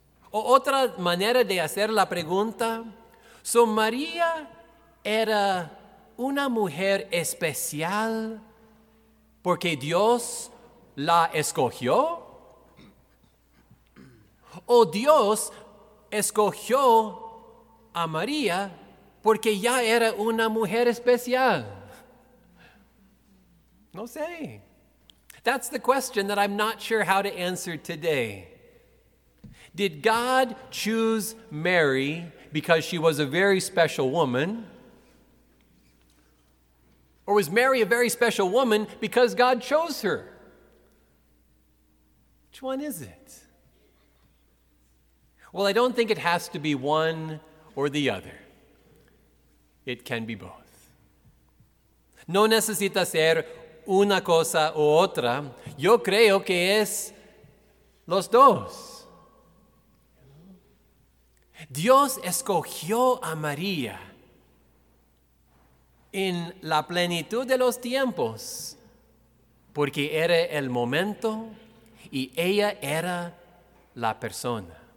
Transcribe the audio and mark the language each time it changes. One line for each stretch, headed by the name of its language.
Spanish: O otra manera de hacer la pregunta, ¿so María era una mujer especial porque Dios la escogió? ¿O Dios escogió a María porque ya era una mujer especial? No sé.
English: That's the question that I'm not sure how to answer today. Did God choose Mary because she was a very special woman? Or was Mary a very special woman because God chose her? Which one is it? Well, I don't think it has to be one or the other. It can be both.
Spanish: No necesita ser una cosa u otra. Yo creo que es los dos. Dios escogió a María en la plenitud de los tiempos, porque era el momento y ella era la persona.